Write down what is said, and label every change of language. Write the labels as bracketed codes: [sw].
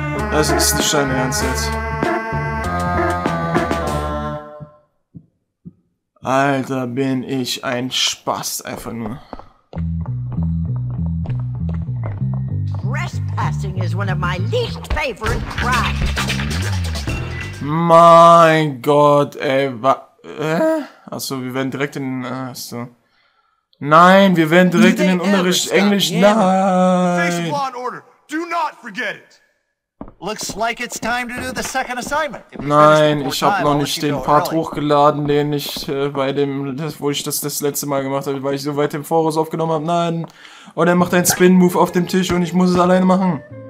[de] Das ist nicht dein Ernst jetzt. Alter, bin ich ein Spaß, einfach nur. [en] Trespassing is one of my least favorite crimes. [de] Mein Gott, ey, was? Achso, wir werden direkt in den. Achso. Nein, wir werden direkt in den Unterricht Englisch. Nein! [en] Face Law and Order, do not forget it! Looks like it's time to do the second assignment. [de] Nein, ich habe noch nicht den Part hochgeladen, den ich bei dem, das, wo ich das letzte Mal gemacht habe, weil ich so weit im Voraus aufgenommen habe. Nein. Und er macht einen Spin-Move auf dem Tisch und ich muss es alleine machen.